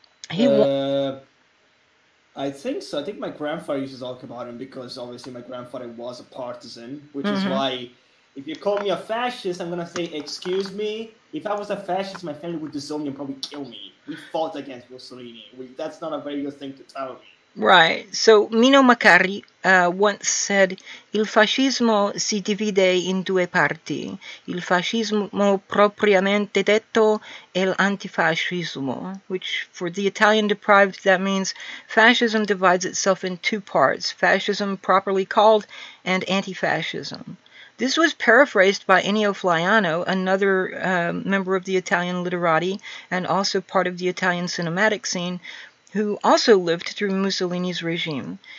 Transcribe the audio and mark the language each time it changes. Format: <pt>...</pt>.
<en>I think my grandfather used to talk about him because, obviously, my grandfather was a partisan, which is why... If you call me a fascist, I'm going to say, excuse me. If I was a fascist, my family would disown me and probably kill me. We fought against Mussolini. That's not a very good thing to tell me. Right. So, Mino Maccari once said,</en> <it>Il fascismo si divide in due parti. Il fascismo propriamente detto e l'antifascismo.</it> <en>Which, for the Italian deprived, that means fascism divides itself in two parts. Fascism properly called and antifascism. This was paraphrased by Ennio Flaiano, another member of the Italian literati and also part of the Italian cinematic scene, who also lived through Mussolini's regime.</en>